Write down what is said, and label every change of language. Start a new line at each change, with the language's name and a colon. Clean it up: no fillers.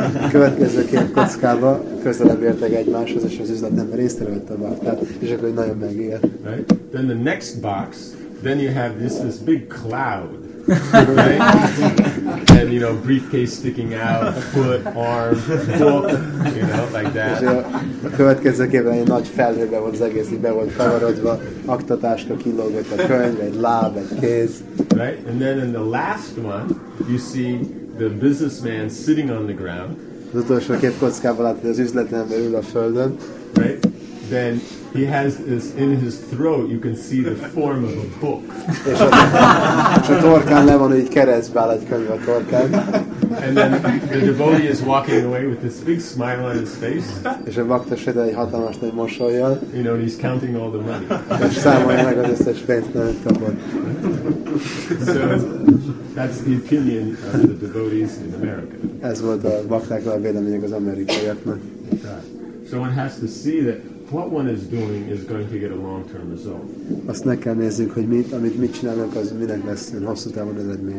Hungarian: következő kép kockába közelebb értek egymáshoz, és az üzletember észrevette a baktát, és akkor nagyon megijed.
English: Right? Then the next box, then you have this big cloud, right? And, you know, briefcase sticking out, foot, arm, book, you know, like that.
Hungarian: És a következő képben egy nagy felhőbe volt az egész, így be volt kavarodva, aktatáska kilógott a könyv, egy láb, egy kéz.
English: Right? And then in the last one, you see the businessman sitting on the ground.
Hungarian: Az utolsó kép kockában látod, az üzletember ül a földön.
English: Right? Then he has this in his throat, you can see the form of a book.
Hungarian: És a torkán le van, hogy keresztbe áll egy könyv a torkán.
English: And then the devotee is walking away with this big smile on his face.
Hungarian: És a bakta sétál egy hatalmas nagy mosollyal.
English: You know, and he's counting all the money.
Hungarian: És számolja meg az összes pénzt, amit kapott.
English: That's the opinion of the devotees in America.
Hungarian: Ez volt a baktáknak a véleményük az amerikaiaknak.
English: So one has to see that what one is doing is going to get a long-term result.
Hungarian: Azt meg kell nézzünk, hogy amit csinálunk, az minek lesz egy hosszú távon eredménye.